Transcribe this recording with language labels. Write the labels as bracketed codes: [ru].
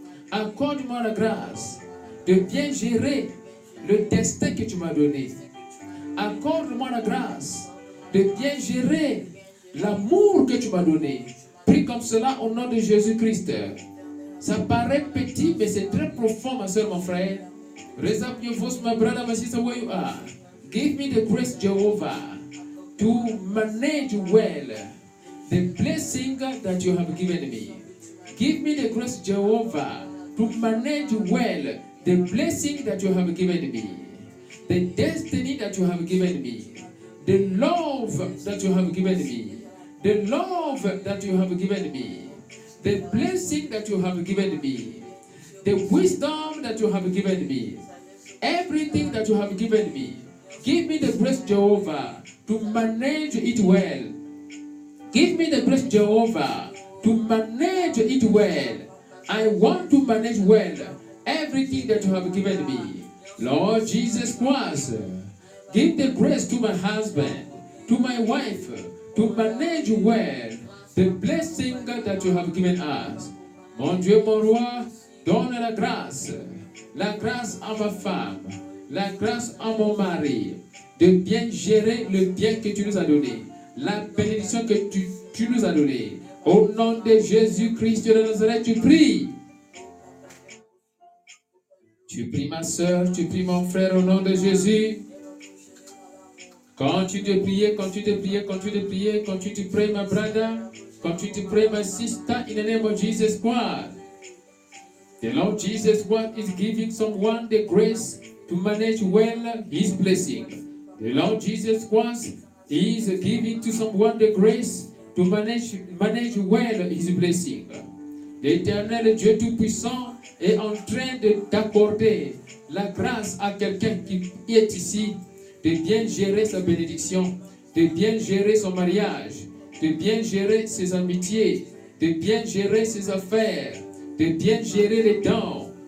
[fr] Accorde-moi la grâce de bien gérer le destin que tu m'as donné. Accorde-moi la grâce de bien gérer l'amour que tu m'as donné. Prie comme cela au nom de Jésus-Christ. Ça paraît petit, mais c'est très profond, ma soeur, mon frère. [en] Raise up your voice, my brother, my sister, where you are. Give me the grace, Jehovah, to manage well the blessing that you have given me. Give me the grace, Jehovah, to manage well the blessing that you have given me, the destiny that you have given me, the love that you have given me, the love that you have given me, the blessing that you have given me, the wisdom that you have given me, everything that you have given me. Give me the grace, Jehovah, to manage it well. Give me the grace, Jehovah, to manage it well. I want to manage well everything that you have given me. Lord Jesus Christ, give the grace to my husband, to my wife, to manage well the blessing that you have given us. [fr] Mon Dieu, mon roi, donne la grâce à ma femme, la grâce à mon mari, de bien gérer le bien que tu nous as donné, la bénédiction que tu nous as donné. Au nom de Jésus-Christ de Nazareth, tu pries. Tu pries ma soeur, tu pries mon frère au nom de Jésus. Quand tu te pries, quand tu te pries, quand tu te pries, quand tu te pries, ma brother, quand tu te pries, ma sister, [en] in the name of Jesus Christ. The Lord Jesus Christ is giving someone the grace to manage well his blessing. The Lord Jesus Christ is giving to someone the grace to manage well his blessing. [fr] L'Éternel Dieu Tout-Puissant est en train de t'accorder la grâce à quelqu'un qui est ici de bien gérer sa bénédiction, de bien gérer son mariage, de bien gérer ses amitiés, de bien gérer ses affaires, de bien gérer les dons.